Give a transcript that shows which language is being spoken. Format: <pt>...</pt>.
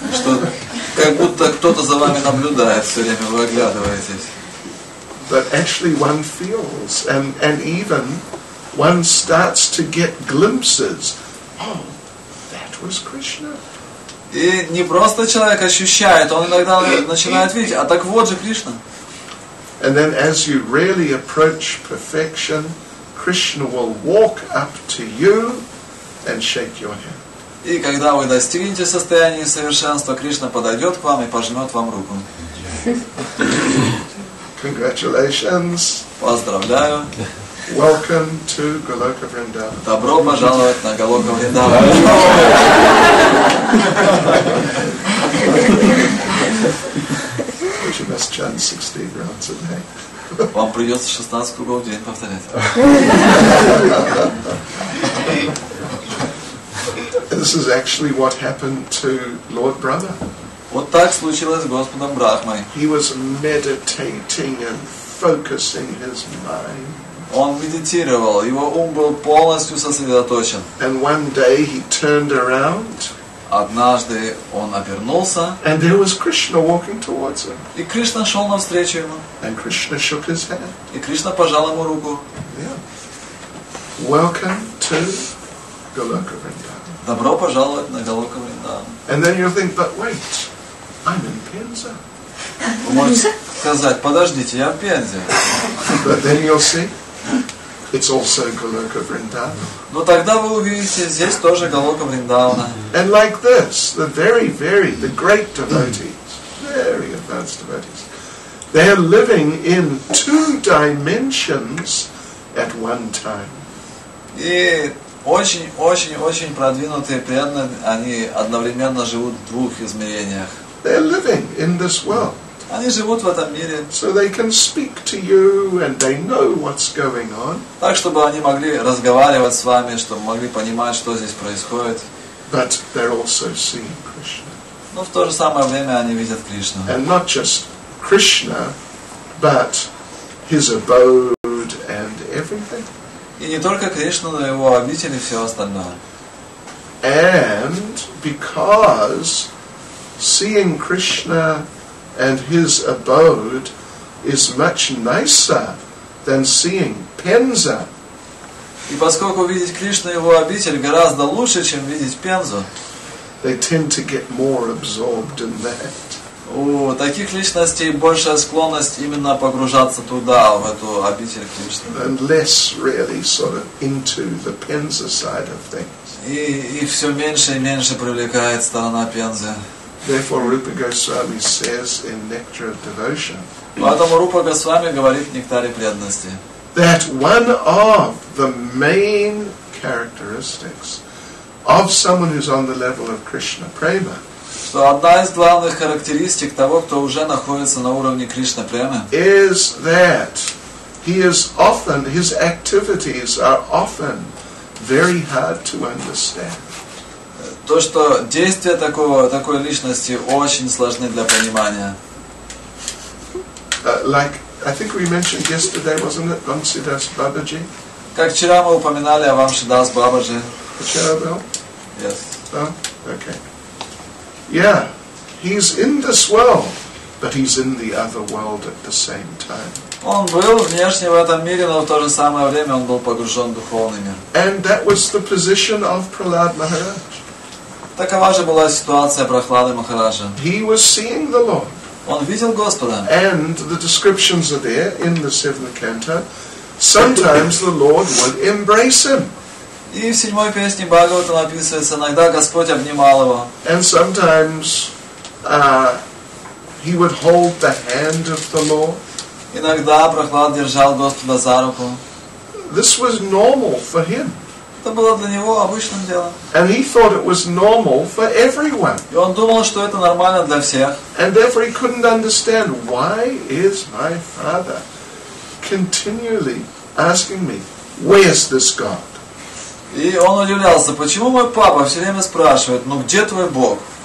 <ru>Что как будто кто-то за вами наблюдает все время, вы оглядываетесь.</ru> <en>But actually one feels, and even one starts to get glimpses. Oh, that was Krishna.</en> <ru>И не просто человек ощущает, он иногда начинает видеть, а так вот же Кришна.</ru> <en>And then as you really approach perfection, Krishna will walk up to you and shake your hand.</en> <ru>И когда вы достигнете состояния совершенства, Кришна подойдет к вам и пожмет вам руку.</ru> <en>Congratulations.</en> <ru>Поздравляю.</ru> <en>Welcome to Goloka Vrindavan.</en> <ru>Добро пожаловать на Голока Вриндаван.</ru> <en>But you must chant 16 rounds a day.</en> <ru>Вам придется 16 кругов в день повторять.</ru> <en>This is actually what happened to Lord Brahma.</en> <ru>Вот так случилось с Господом Брахмой.</ru> <en>He was meditating and focusing his mind.</en> <ru>Он медитировал, его ум был полностью сосредоточен.</ru> <en>And one day he turned around.</en> <ru>Однажды он обернулся.</ru> <en>And there was Krishna walking towards him.</en> <ru>И Кришна шел навстречу ему.</ru> <en>And Krishna shook his hand.</en> <ru>И Кришна пожал ему руку.</ru> <en>Yeah. Welcome to Goloka Vrindavan.</en> <ru>Добро пожаловать на Голока Вриндаван.</ru> <en>And then you think, but wait, I'm in Pensa.</en> <ru>Вы можете сказать, подождите, я в Пензе.</ru> <en>But then you'll see, it's also Goloka Vrindavan.</en> <ru>Но тогда вы увидите, здесь тоже Голока Вриндавана.</ru> <en>And like this, the very, very, the great devotees, very advanced devotees, they're living in two dimensions at one time.</en> <ru>И очень-очень-очень продвинутые преданные, они одновременно живут в двух измерениях.</ru> <en>They're living in this world.</en> <ru>Они живут в этом мире.</ru> <en>So they can speak to you and they know what's going on.</en> <ru>Так, чтобы они могли разговаривать с вами, чтобы могли понимать, что здесь происходит.</ru> <en>But they're also seeing Krishna.</en> <ru>Но в то же самое время они видят Кришну.</ru> <en>And not just Krishna, but his abode and everything.</en> <ru>И не только Кришну, но его обитель и все остальное.</ru> <en>And because seeing Krishna and his abode is much nicer than seeing Penza.</en> <ru>И поскольку видеть Кришну и его обитель гораздо лучше, чем видеть Пензу.</ru> <en>They tend to get more absorbed in that.</en> <ru>У таких личностей большая склонность именно погружаться туда, в эту обитель Кришны.</ru> <en>And less really sort of into the Penza side of things.</en> <ru>И все меньше и меньше привлекает сторона Пензы.</ru> <en>Therefore, Rupa Goswami says in Nectar of Devotion.</en> <ru>Поэтому Рупа Госвами говорит в Нектаре преданности.</ru> <en>That one of the main characteristics of someone who's on the level of Krishna Prema.</en> <ru>Что одна из главных характеристик того, кто уже находится на уровне Кришна Премы.</ru> <en>Is that he is often his activities are often very hard to understand.</en> <ru>То, что действия такой личности очень сложны для понимания.</ru> <en>Like, I think we mentioned yesterday, wasn't it, Vamsidas Babaji?</en> <ru>Как вчера мы упоминали о Вамсидас Бабаджи. Вчера был?</ru> <en>Yes. Oh, okay. Yeah, he's in this world, but he's in the other world at the same time.</en> <ru>Он был внешне в этом мире, но в то же самое время он был погружен в духовный мир.</ru> <en>And that was the position of Prahlad Maharaj.</en> <ru>Такова же была ситуация Прохлады Махараджа.</ru> <en>He was seeing the Lord.</en> <ru>Он видел Господа.</ru> <en>And the descriptions are there in the seventh canto. Sometimes the Lord would embrace him.</en> <ru>И в седьмой песне Бхагавата описывается, иногда Господь обнимал его.</ru> <en>And sometimes he would hold the hand of the Lord.</en> <ru>Иногда Прохлад держал Господа за руку.</ru> <en>This was normal for him.</en> <ru>Это было для него обычным делом.</ru> <en>And he thought it was normal for everyone.</en> <ru>И он думал, что это нормально для всех.</ru> <en>And therefore he couldn't understand why is my father continually asking me, where is this God?</en> <ru>И он удивлялся, почему мой папа все время спрашивает, ну где твой Бог?</ru>